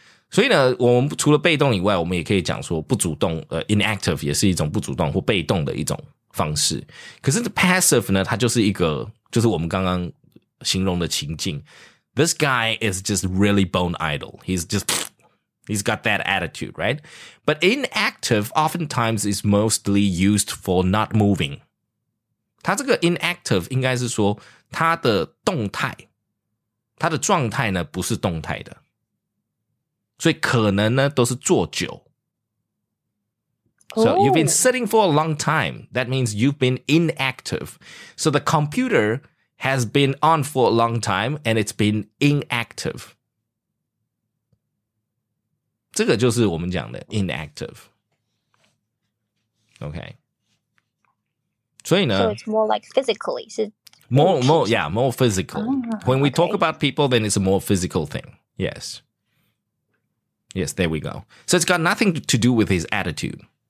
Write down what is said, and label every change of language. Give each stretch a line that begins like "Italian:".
Chinese: 所以呢，我们除了被动以外，我们也可以讲说不主动。 Inactive 也是一种不主动或被动的一种方式。可是 passive 呢，它就是一个，就是我们刚刚形容的情境。
English: This guy is just really bone idle. He's got that attitude, right? But inactive oftentimes is mostly used for not moving.
Chinese: 它这个 inactive 应该是说它的动态。他的状态呢不是动态的，所以可能呢都是坐久。
English: So you've been sitting for a long time. That means you've been inactive. So the computer has been on for a long time and it's been inactive.
Chinese: 这个就是我们讲的 inactive. Okay. 所以呢
English: So it's more like physically. More physical. When we talk about people, then it's a more physical thing. Yes. Yes, there we go. So it's got nothing to do with his attitude.